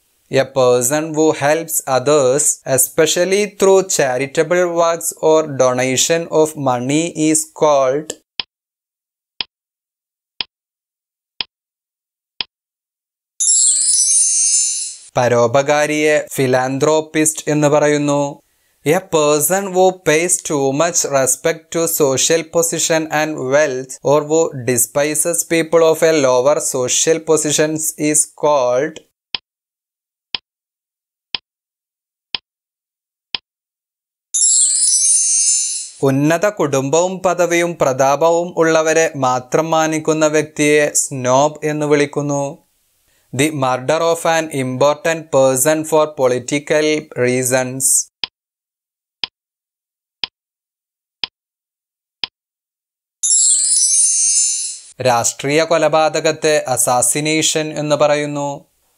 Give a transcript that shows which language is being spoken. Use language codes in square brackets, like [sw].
[en] a person who helps others especially through charitable works or donation of money is called [ml] പരോപകാരിയെ ഫിലാൻത്രോപ്പിസ്റ്റ് എന്ന് പറയുന്നു. [en] A person who pays too much respect to social position and wealth or who despises people of a lower social position is called [ml] ഉന്നത കുടുംബവും പദവിയും പ്രതാപവും ഉള്ളവരെ മാത്രം മാനിക്കുന്ന വ്യക്തിയെ snob എന്ന് വിളിക്കുന്നു. [en] The murder of an important person for political reasons. [ml] രാഷ്ട്രീയ കൊലപാതകത്തെ assassination എന്ന് പറയുന്നു.